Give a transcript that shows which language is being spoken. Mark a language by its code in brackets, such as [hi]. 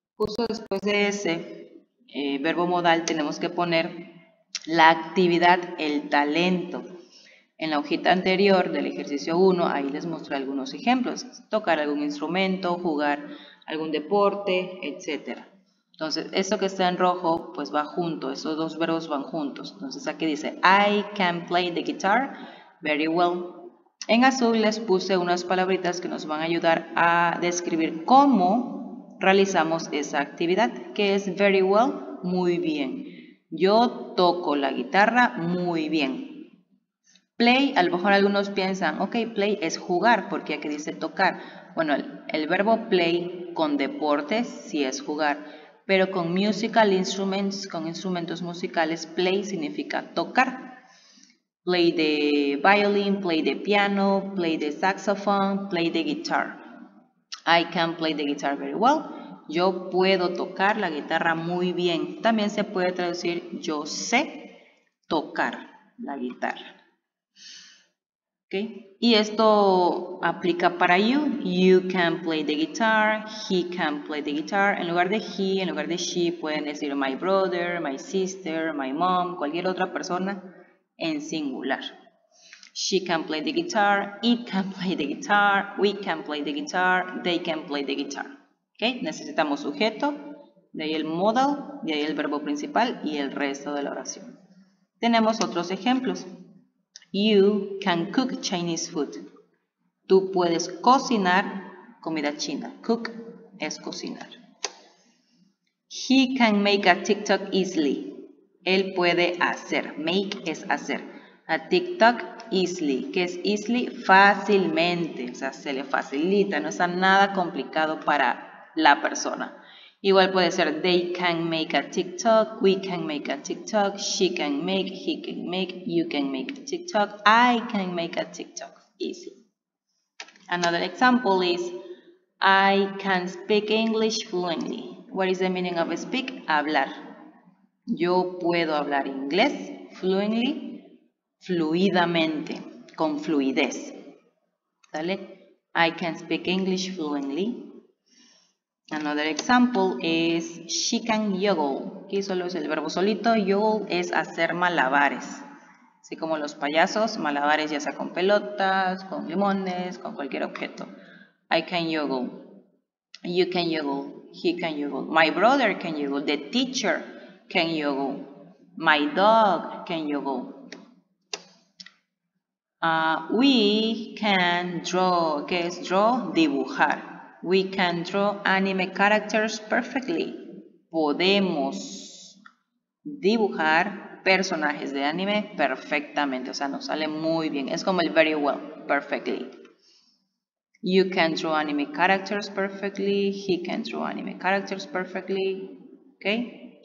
[es] Justo después de ese verbo modal tenemos que poner la actividad, el talento. En la hojita anterior del ejercicio 1, ahí les mostré algunos ejemplos. Tocar algún instrumento, jugar algún deporte, etc. Entonces, esto que está en rojo, pues va junto. Esos dos verbos van juntos. Entonces, aquí dice, [en] I can play the guitar very well. [es] En azul les puse unas palabritas que nos van a ayudar a describir cómo realizamos esa actividad, que es [en] very well, [es] muy bien. Yo toco la guitarra muy bien. Play, a lo mejor algunos piensan, ok, play es jugar, porque aquí dice tocar. Bueno, el verbo play con deportes sí es jugar, pero con [en] musical instruments, [es] con instrumentos musicales, play significa tocar. [en] Play de violín, play de piano, play de saxofón, play de guitar. I can play the guitar very well. [es] Yo puedo tocar la guitarra muy bien. También se puede traducir yo sé tocar la guitarra. ¿Okay? Y esto aplica para you. [en] You can play the guitar. He can play the guitar. [es] En lugar de he, en lugar de she, pueden decir [en] my brother, my sister, my mom, [es] cualquier otra persona en singular. [en] She can play the guitar. It can play the guitar. We can play the guitar. They can play the guitar. Okay. [es] Necesitamos sujeto, de ahí el modal, de ahí el verbo principal y el resto de la oración. Tenemos otros ejemplos. [en] You can cook Chinese food. [es] Tú puedes cocinar comida china. Cook es cocinar. [en] He can make a TikTok easily. [es] Él puede hacer. Make es hacer. [en] A TikTok easily. [es] ¿Qué es easily? Fácilmente. O sea, se le facilita. No está nada complicado para la persona. Igual puede ser [en] they can make a TikTok, we can make a TikTok, she can make, he can make, you can make a TikTok, I can make a TikTok. Easy. Another example is I can speak English fluently. What is the meaning of speak? [es] Hablar. Yo puedo hablar inglés fluently, fluidamente, con fluidez. ¿Sale? [en] I can speak English fluently. Another example is she can yodel. [es] Aquí solo es el verbo solito. Yodel es hacer malabares. Así como los payasos, malabares ya sea con pelotas, con limones, con cualquier objeto. [en] I can juggle. You can juggle. He can juggle. My brother can juggle. The teacher can juggle. My dog can juggle. We can draw. [es] ¿Qué es [en] draw? [es] Dibujar. [en] We can draw anime characters perfectly. [es] Podemos dibujar personajes de anime perfectamente, o sea, nos sale muy bien, es como el [en] very well, perfectly. You can draw anime characters perfectly, he can draw anime characters perfectly, ¿ok?